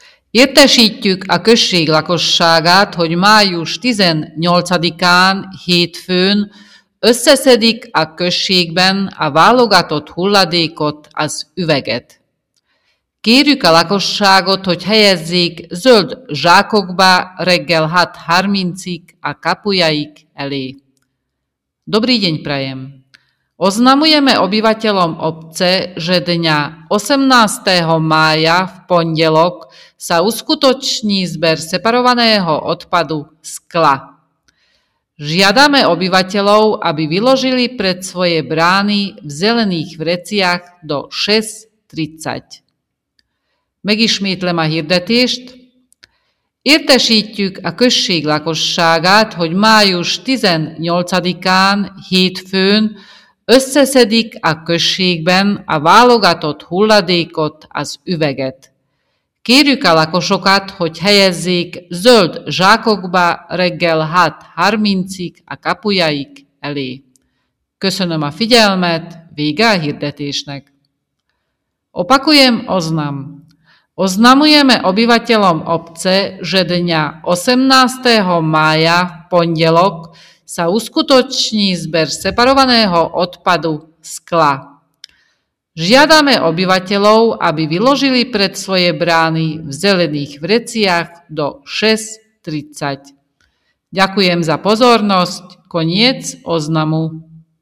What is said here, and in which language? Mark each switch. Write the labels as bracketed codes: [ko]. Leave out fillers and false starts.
[hu] Értesítjük a község lakosságát, hogy május 18-án hétfőn összeszedik a községben a válogatott hulladékot, az üveget. Kérjük a lakosságot, hogy helyezzék zöld zsákokba reggel 6:30-ig a kapujaik elé. [sk] Dobrý deň prajem! Oznamujeme obyvateľom obce, že dňa 18. mája v pondelok sa uskutoční zber separovaného odpadu skla. Žiadame obyvateľov, aby vyložili pred svoje brány v zelených vreciach do 6:30. [hu] Megismétlem a hirdetést. Értesítjük a község lakosságát, hogy május 18-án hétfőn összeszedik a községben a válogatott hulladékot, az üveget. Kérjük a lakosokat, hogy helyezzék zöld zsákokba reggel 6:30-ig a kapujaik elé. Köszönöm a figyelmet, vége a hirdetésnek. [sk] Opakujem oznam. Oznamujeme obyvateľom obce, že dňa 18. mája v pondelok sa uskutoční zber separovaného odpadu skla. Žiadame obyvateľov, aby vyložili pred svoje brány v zelených vreciach do 6:30. Ďakujem za pozornosť. Koniec oznamu.